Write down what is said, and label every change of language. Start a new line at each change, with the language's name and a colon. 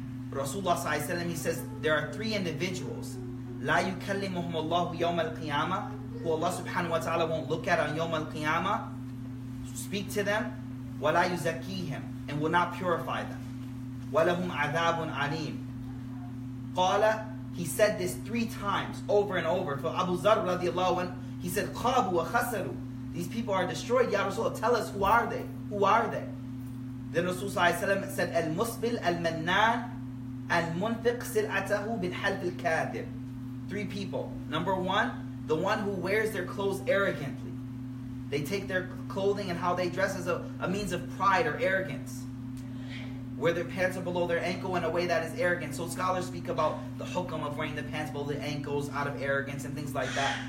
English: Rasulullah صلى الله عليه وسلم, he says, there are three individuals,
Arabic: لا يكلمهم الله يوم القيامة,
English: who Allah subhanahu wa ta'ala won't look at on يوم القيامة, speak to them,
Arabic: ولا يزكيهم,
English: and will not purify them.
Arabic: ولهم عذاب عليم. قال,
English: he said this three times, over and over, for Abu Zar radiallahu anhu, he said,
Arabic: خَابُوا وَخَسَرُوا,
English: these people are destroyed. Ya Rasulullah, tell us, who are they? Who are they? Then Rasulullah ﷺ said,
Arabic: المسبل المنان المنفق سلعته بالحلف الكاذب.
English: Three people. Number one, the one who wears their clothes arrogantly. They take their clothing and how they dress as a means of pride or arrogance. Wear their pants are below their ankle in a way that is arrogant. So scholars speak about the hukam of wearing the pants below the ankles out of arrogance and things like that.